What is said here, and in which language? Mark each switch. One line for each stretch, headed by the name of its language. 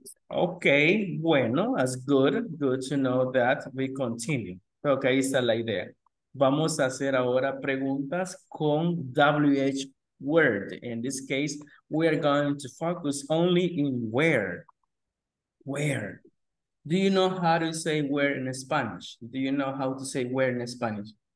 English: Ok, bueno, that's good to know that we continue.
Spanish: Creo que ahí está la idea. Vamos a hacer ahora preguntas con WH word.
English: In this case, we are going to focus only in where. Where? Do you know how to say where in Spanish? Do you know how to say where in Spanish?